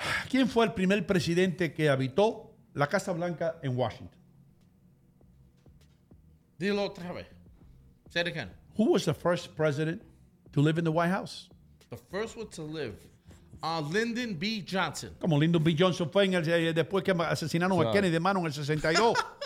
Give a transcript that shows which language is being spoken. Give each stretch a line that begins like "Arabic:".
Spanish: ¿Quién fue el primer presidente que habitó la Casa Blanca en Washington? Dilo otra vez.
English: Say it again. Who was the first president to live in the White House? The first one to live? Lyndon B. Johnson.
Spanish: Como Lyndon B. Johnson fue en después que asesinaron a Kennedy de mano en el 62.